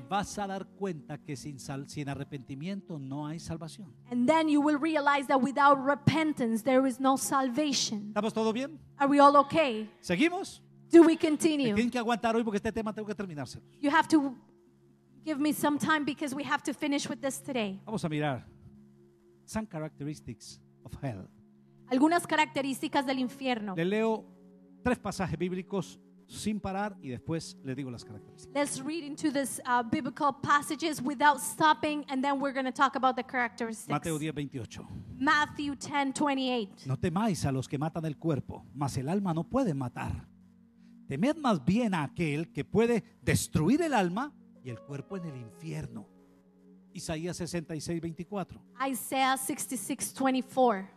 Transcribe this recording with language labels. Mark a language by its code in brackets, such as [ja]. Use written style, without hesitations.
[es] Te vas a dar cuenta que sin arrepentimiento no hay salvación. [en] And then you will realize that without repentance there is no salvation. [es] ¿Estamos todo bien? [en] Are we all okay? [es] ¿Seguimos? [en] Do we continue? [es] Tienen que aguantar hoy porque este tema tengo que terminárselo. [en] You have to give me some time because we have to finish with this today. [es] Vamos a mirar [en] some characteristics of hell. [es] Algunas características del infierno. Le leo tres pasajes bíblicos sin parar y después le digo las características. [en] Let's read into this biblical passages without stopping and then we're going to talk about the characteristics. [es] Mateo 10:28. [en] Matthew 10:28. [es] No temáis a los que matan el cuerpo, mas el alma no puede matar. Temed más bien a aquel que puede destruir el alma y el cuerpo en el infierno. Isaías 66:24. [en] Isaiah 66:24.